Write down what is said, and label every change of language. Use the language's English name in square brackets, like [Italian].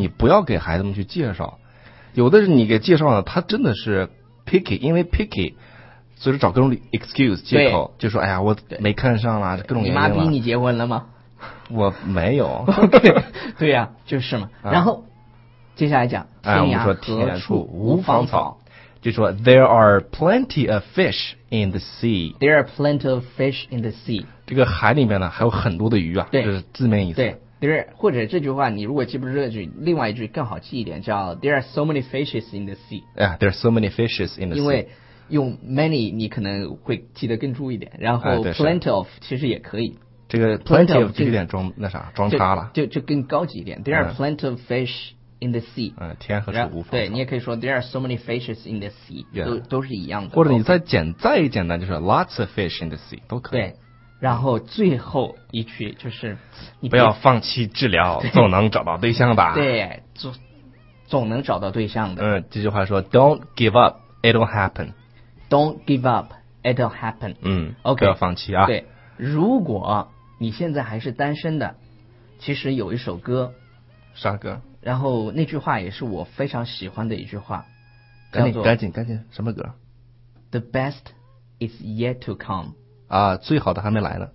[Chinese] 你不要给孩子们去介绍，有的是你给介绍呢，他真的是 picky， 因为 picky， 所以找各种 excuse 借口，就说哎呀，我没看上啦，各种原因了。你妈逼你结婚了吗？我没有。 okay, 对呀、啊，就是嘛，啊、然后。接下来讲天涯何处无芳草，就说 [English] There are plenty of fish in the sea. There are plenty of fish in the sea. [Chinese] 这个海里面呢还有很多的鱼啊，对，就是字面意思。对 ，there 或者这句话你如果记不住这句，另外一句更好记一点，叫 [English] There are so many fishes in the sea. Yeah, there are so many fishes in the sea. [Chinese] 因为用 many 你可能会记得更注意一点，然后 plenty of 其实也可以。这个 plenty of 就有点装那啥装叉了，就更高级一点。 [English] There are plenty of fish. In the sea， [Chinese] 嗯，天河处无芳草。对，你也可以说 [English] There are so many fishes in the sea，、 yeah. [Chinese] 都是一样的。或者你再简单，就是 [English] Lots of fish in the sea [Chinese] 都可以。对，然后最后一句就是，你不要放弃治疗，总能找到对象吧？对，总能找到对象的。嗯，这句话说 [English] Don't give up, it'll happen. Don't give up, it'll happen. 嗯，OK， [Chinese] 不要放弃啊。对，如果你现在还是单身的，其实有一首歌，啥歌？然后那句话也是我非常喜欢的一句话，赶紧，什么歌 [English] ？The best is yet to come。 [Chinese] 啊，最好的还没来呢。